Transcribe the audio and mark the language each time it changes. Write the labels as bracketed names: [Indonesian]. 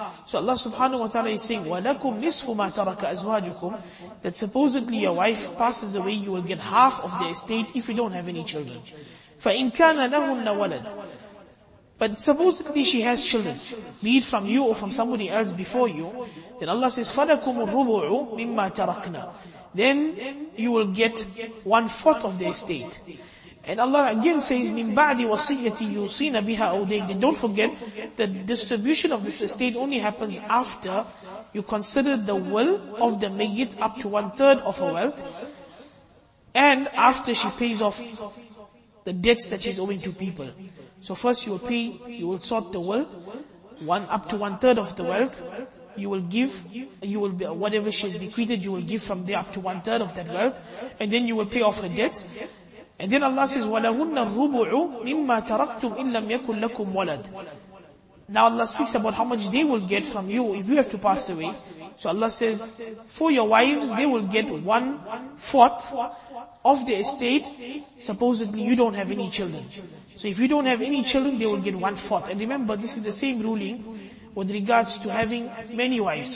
[English] So Allah subhanahu wa ta'ala is saying, [Arabic] وَلَكُمْ نِصْفُ مَا تَرَكَ أَزْوَاجُكُمْ, [English] that supposedly your wife passes away, you will get half of the estate if you don't have any children. [Arabic] فَإِن كَانَ لَهُنَّ وَلَدٌ. [English] But supposedly she has children, be it from you or from somebody else before you, then Allah says, [Arabic] فَلَكُمُ الرُّبُعُ مِمَّا تَرَكْنَا. [English] Then you will get one-fourth of the estate. And Allah again says, [Arabic] مِن بَعْدِ وَصِيَّةِ يُوصِينَ بِهَا أَوْدَيْنَ. [English] Then don't forget that distribution of this estate only happens after you consider the will of the mayyit up to one-third of her wealth, and after she pays off the debts that she's owing to people. So first you will pay, you will sort the will, one up to one-third of the wealth, you will give, you will be, whatever she has bequeathed, you will give from there up to one-third of that wealth, and then you will pay off her debts. And then Allah says, [Arabic] وَلَهُنَّ الرُّبُعُ مِمَّا تَرَكْتُمْ إِن لَّمْ يَكُنْ لَكُمْ وَلَدٌ. [English] Now Allah speaks about how much they will get from you if you have to pass away. So Allah says, for your wives, they will get one-fourth of the estate, supposedly you don't have any children. So if you don't have any children, they will get 1/4. And remember, this is the same ruling with regards to having many wives.